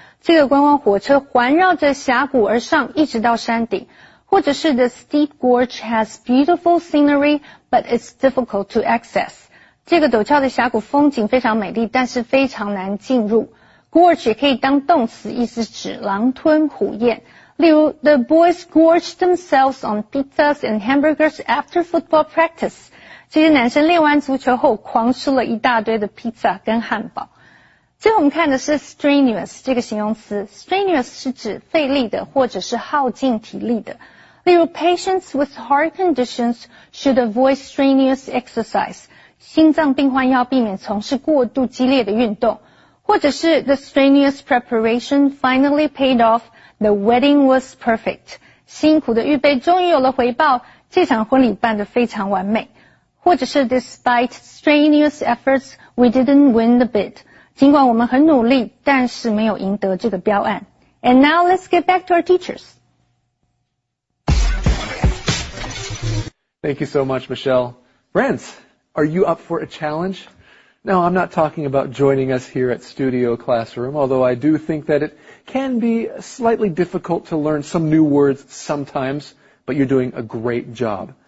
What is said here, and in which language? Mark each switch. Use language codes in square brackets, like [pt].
[zh] 这个观光火车环绕着峡谷而上，一直到山顶。或者是 [en] The steep gorge has beautiful scenery, but it's difficult to access. [zh] 这个陡峭的峡谷风景非常美丽，但是非常难进入。 Gorge 也可以当动词，意思指狼吞虎咽。例如 [en] ,The boys gorge themselves on pizzas and hamburgers after football practice. [zh] 这些男生练完足球后狂吃了一大堆的 pizza 跟汉堡。最后我们看的是 strenuous 这个形容词。strenuous 是指费力的或者是耗尽体力的。例如 [en] patients with heart conditions should avoid strenuous exercise. [zh] 心脏病患要避免从事过度激烈的运动。或者是 [en] the strenuous preparation finally paid off. The wedding was perfect. [zh] 辛苦的预备终于有了回报，这场婚礼办得非常完美。或者是 [en] despite strenuous efforts, we didn't win the bid. [zh] 尽管我们很努力，但是没有赢得这个标案。 [en] And now let's get back to our teachers. Thank you so much, Michelle. Brent, are you up for a challenge? Now, I'm not talking about joining us here at Studio Classroom, although I do think that it can be slightly difficult to learn some new words sometimes, but you're doing a great job.